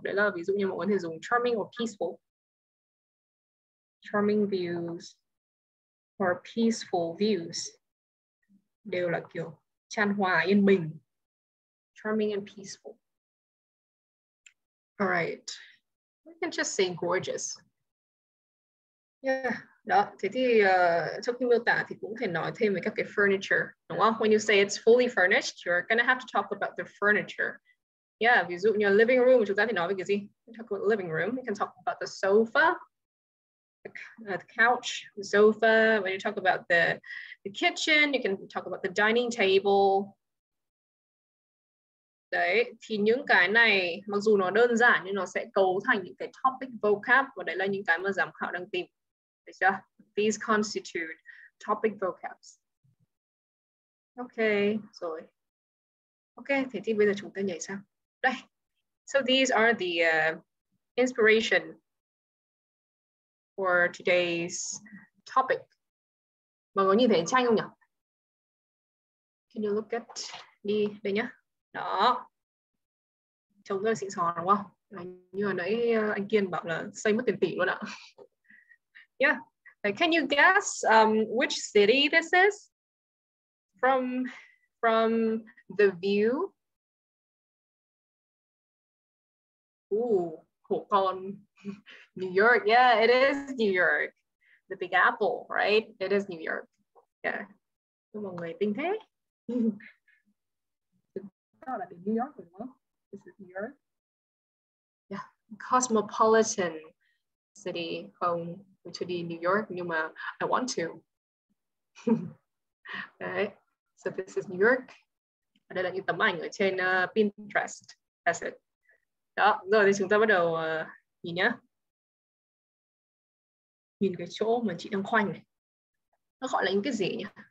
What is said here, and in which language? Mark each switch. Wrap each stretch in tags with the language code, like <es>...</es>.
<vi>Đấy là ví dụ như mọi người có thể dùng charming or peaceful.</vi> <en>Charming views or peaceful views</en> <vi>đều là kiểu chan hòa, yên bình.</vi> <en>Charming and peaceful. All right. We can just say gorgeous. Yeah, đó.</en> <vi>Thế thì trong khi miêu tả thì cũng thể nói thêm về các cái furniture, đúng không?</vi> <en>When you say it's fully furnished, you're gonna have to talk about the furniture.</en> <vi>Yeah, ví dụ như living room, chúng ta thì nói về cái gì?</vi> <en>We can talk about living room. We can talk about the sofa, the couch, the sofa. When you talk about the kitchen, you can talk about the dining table.</en> <vi>Đấy, thì những cái này mặc dù nó đơn giản nhưng nó sẽ cấu thành những cái topic vocab, và đấy là những cái mà giám khảo đang tìm. Được chưa?</vi> <en>These constitute topic vocabs. Okay, rồi.</en> <vi>Okay, thế thì bây giờ chúng ta nhảy sang. Đây.</vi> <en>So these are the inspiration for today's topic.</en> <vi>Mọi người nhìn thấy tranh không nhỉ?</vi> <en>Can you look at</en> <vi>đi đây nhá. Đó. Trông rất là xịn sò đúng không? Như hồi nãy anh Kiên bảo là xây mất tiền tỷ luôn ạ.</vi> <en>Yeah. Like, can you guess which city this is? From the view. Ooh, hổ con. New York. Yeah, it is New York. The Big Apple, right? It is New York.</en> <vi>Yeah. Mọi người tin thế. Chúng ta là từ New York rồi đúng không?</vi> <en>is it here? Yeah, cosmopolitan city, home, which would be New York,</en> <vi>nhưng mà</vi> <en>I want to. Okay, so this is New York.</en> <vi>Ở đây là những tấm ảnh ở trên Pinterest.</vi> <en>That's it.</en> <vi>Đó, rồi thì chúng ta bắt đầu nhìn nhá. Nhìn cái chỗ mà chị đang khoanh này. Nó gọi là những cái gì nhỉ?</vi>